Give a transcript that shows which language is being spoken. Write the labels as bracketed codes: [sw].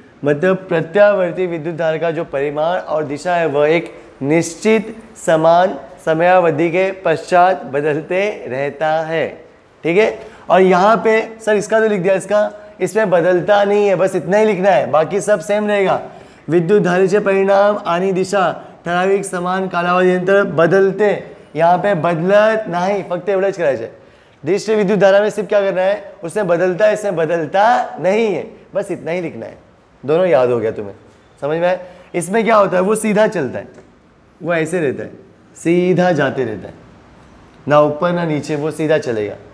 [hi] मतलब प्रत्यावर्ती विद्युत धारा का जो परिमाण और दिशा है वह एक निश्चित समान समयावधि के पश्चात बदलते रहता है, ठीक है। और यहाँ पे सर इसका तो लिख दिया, इसका इसमें बदलता नहीं है, बस इतना ही लिखना है, बाकी सब सेम रहेगा। [mr] विद्युत धारेचे परिणाम आणि दिशा ठराविक समान कालावधीनंतर बदलते, [hi] यहाँ पे बदलत नहीं, [mr] फक्त एवढंच करायचं। [hi] दिष्ट विद्युत धारा में सिर्फ क्या करना है, उसमें बदलता है, इसमें बदलता नहीं है, बस इतना ही लिखना है। दोनों याद हो गया तुम्हें, समझ में आया? इसमें क्या होता है, वो सीधा चलता है, वो ऐसे रहता है, सीधा जाते रहता है, ना ऊपर ना नीचे, वो सीधा चलेगा।